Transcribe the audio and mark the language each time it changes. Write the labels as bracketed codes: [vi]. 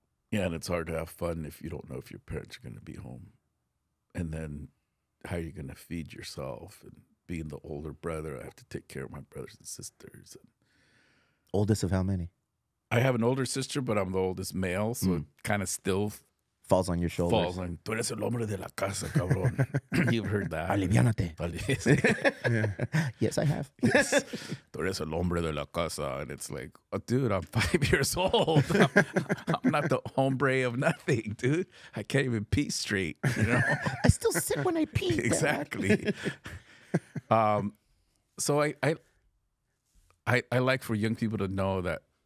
[en] Yeah, and it's hard to have fun if you don't know if your parents are going to be home. And then how are you going to feed yourself? And being the older brother, I have to take care of my brothers and sisters. And oldest of how many? I have an older sister, but I'm the oldest male, so it kind of still falls on your shoulders. Falls on. [es] Tú eres el hombre de la casa, cabrón. [en] You've heard that. [es] Aliviánate. [en] Yeah. Yes, I have. Yes. [es] Tú eres el hombre de la casa. [en] And it's like, oh, dude, I'm 5 years old. I'm not the hombre of nothing, dude. I can't even pee straight, you know? I still sit when I pee. Exactly. So I like for young people to know that.